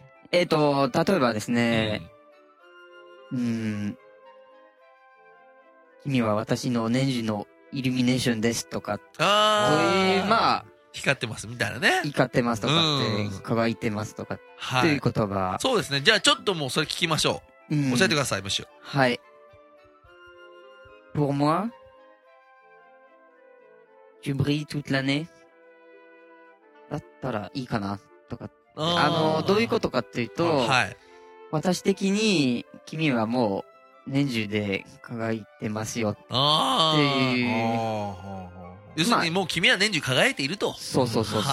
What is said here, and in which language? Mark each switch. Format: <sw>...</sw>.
<ja>例えばですね、君は私の年次のイルミネーションですとか、まあ、光ってますみたいなね。光ってますとかって、輝いてますとかっていう言葉、はい。そうですね。じゃあちょっともうそれ聞きましょう。教えてください、むしろ。はい。</ja> <fr>Pour moi, tu brilles toute l'année?</fr> <ja>だったらいいかなとか、どういうことかっていうと、はい、私的に君はもう年中で輝いてますよっていう、要するにもう君は年中輝いていると、まあ、そうそうそうそう、</ja>